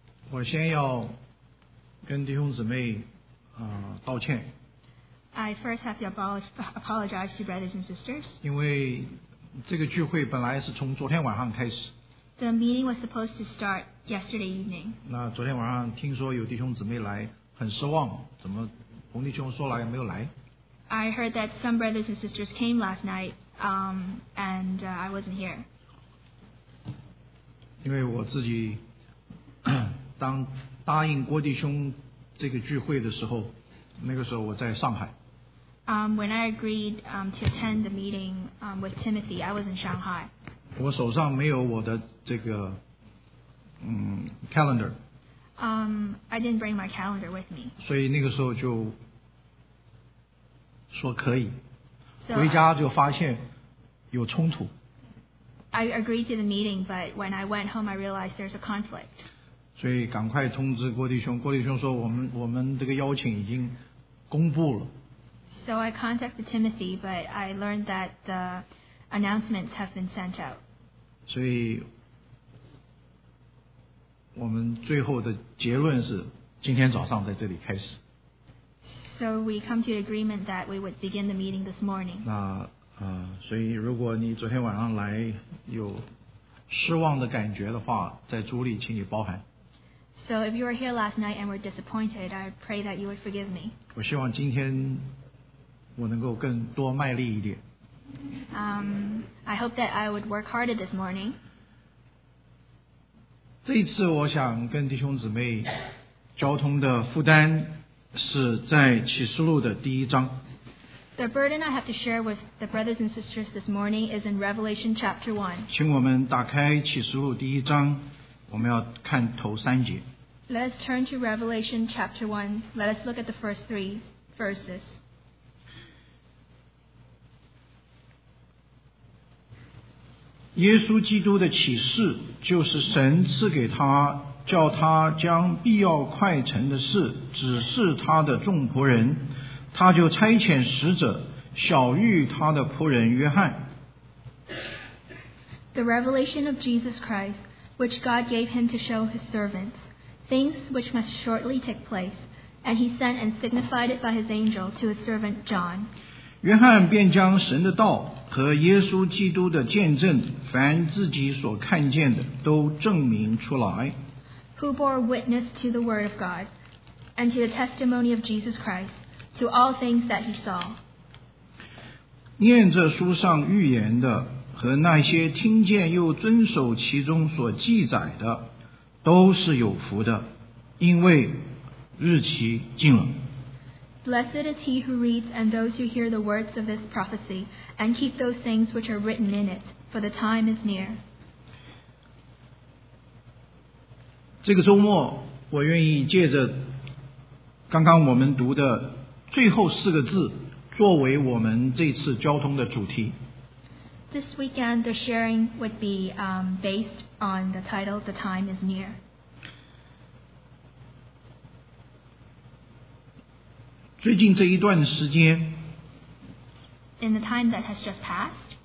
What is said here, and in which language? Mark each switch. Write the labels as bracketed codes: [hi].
[zh] 我先要跟弟兄姊妹道歉。 [en] I first have to apologize to brothers and sisters. [zh] 因为这个聚会本来是从昨天晚上开始。 [en] The meeting was supposed to start yesterday evening. [zh] 那昨天晚上听说有弟兄姊妹来，很失望，怎么红弟兄说来没有来？ [en] I heard that some brothers and sisters came last night, and I wasn't here. [zh] 因为我自己当答应郭弟兄这个聚会的时候，那个时候我在上海。 [en] When I agreed to attend the meeting with Timothy, I was in Shanghai. [zh] 我手上没有我的这个calendar. [en] I didn't bring my calendar with me. [zh] 所以那个时候就。说可以，回家就发现有冲突。 [en] I agreed to the meeting, but when I went home, I realized there's a conflict. [zh] 所以赶快通知郭弟兄。郭弟兄说我们这个邀请已经公布了。 [en] So I contacted Timothy, but I learned that the announcements have been sent out. [zh] 所以我们最后的结论是今天早上在这里开始。 [en] So we come to an agreement that we would begin the meeting this morning. [zh] 那所以如果你昨天晚上来有失望的感觉的话，在主里请你包涵。 [en] So if you were here last night and were disappointed, I pray that you would forgive me. [zh] 我希望今天我能够更多卖力一点。 [en] I hope that I would work harder this morning. [zh] 这一次我想跟弟兄姊妹交通的负担。是在启示录的第一章。 [en] The burden I have to share with the brothers and sisters this morning is in Revelation chapter 1. [zh] 请我们打开启示录第一章，我们要看头三节。 [en] Let us turn to Revelation chapter 1. Let us look at the first three verses. [zh] 耶稣基督的启示就是神赐给他叫他将必要快成的事指示他的众仆人，他就差遣使者晓谕他的仆人约翰。 [en] The revelation of Jesus Christ, which God gave him to show his servants, things which must shortly take place, and he sent and signified it by his angel to his servant John. [zh] 约翰便将神的道和耶稣基督的见证，凡自己所看见的，都证明出来。 [en] Who bore witness to the word of God and to the testimony of Jesus Christ to all things that he saw. [zh] 念这书上预言的和那些听见又遵守其中所记载的都是有福的，因为日期近了。 [en] Blessed is he who reads and those who hear the words of this prophecy and keep those things which are written in it, for the time is near. [zh] 这个周末我愿意借着刚刚我们读的最后四个字作为我们这次交通的主题。 [en] This weekend the sharing would be based on the title The Time is Near. [zh] 最近这一段时间 [en] In the time that has just passed